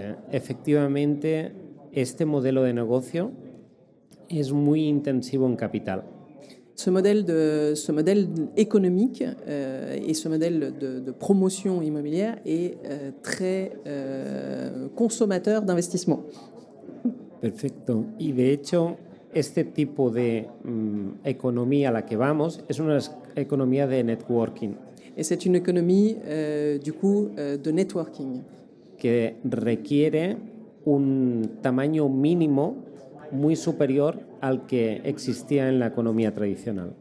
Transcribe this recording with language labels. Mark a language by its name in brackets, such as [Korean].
[Spanish] Efectivamente, este modelo de negocio es muy intensivo en capital. [French] Ce modèle économique et ce modèle de promotion immobilière est très consommateur d'investissement. [Spanish] Perfecto. Y de hecho, este tipo de economía a la que vamos es una economía de networking. [French] Et c'est une économie, du coup, de networking. [Spanish] Que requiere un tamaño mínimo muy superior al que existía en la economía tradicional.